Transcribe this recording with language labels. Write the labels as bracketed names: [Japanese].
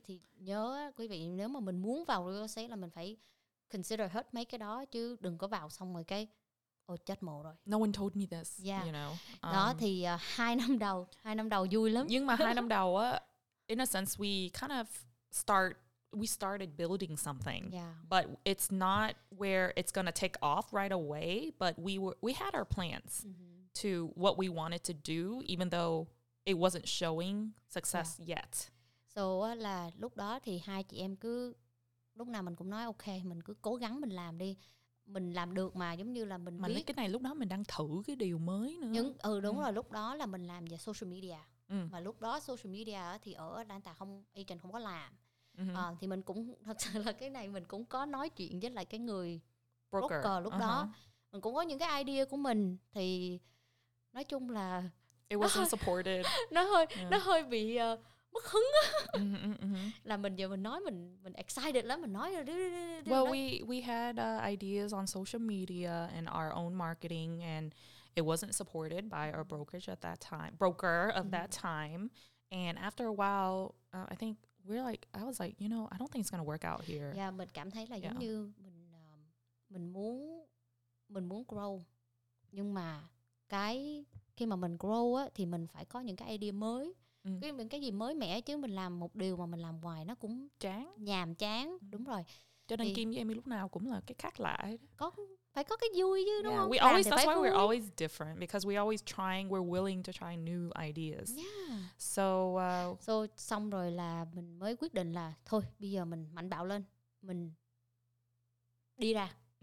[Vietnamese] Thì nhớ quý vị, nếu mà mình muốn vào real estate là mình phải consider hết mấy cái đó, chứ đừng có vào xong rồi cái ôi chết mồ rồi. [English] No one told me this. Yeah. You know. [Vietnamese] Đó thì hai năm đầu vui lắm. Nhưng mà hai năm đầu á, [English] in a sense, we started building something. Yeah. But it's not where it's gonna take off right away. But we had our plans mm-hmm. to what we wanted to do, even though it wasn't showing success yeah. yet. [Vietnamese] So là lúc đó thì hai chị em cứ lúc nào mình cũng nói ok, mình cứ cố gắng mình làm đi. Mình làm được mà, giống như là mình biết. Mà cái này lúc đó mình đang thử cái điều mới nữa. Nhưng, ừ đúng rồi, lúc đó là mình làm về social media. Mà lúc đó social media thì ở Atlanta không, agent không có làm. Thì mình cũng, thật sự là cái này mình cũng có nói chuyện với lại cái người broker lúc đó. Mình cũng có những cái idea của mình. Thì nói chung là [English] it wasn't supported. [Vietnamese] Nó hơi bị mất hứng. Là mình giờ mình nói mình excited lắm, mình nói [English] Well, we had ideas on social media and our own marketing, and it wasn't supported by our brokerage at that time. And after a while, I think I was like, you know, I don't think it's going to work out here. [Vietnamese] Yeah, mình cảm thấy là giống như mình muốn grow. Nhưng mà cái khi mà mình grow á thì mình phải có những cái idea mới. Cái gì mới mẻ chứ mình làm một điều mà mình làm hoài nó cũng chán, nhàm chán, đúng rồi. Cho nên thì Kim với Amy lúc nào cũng là cái khác lạ. Có phải có cái vui chứ, đúng không? [English] We always, that's why we're always different, because we're always trying, we're willing to try new ideas. [Vietnamese] So xong rồi là mình mới quyết định là thôi, bây giờ mình mạnh bạo lên, mình đi ra.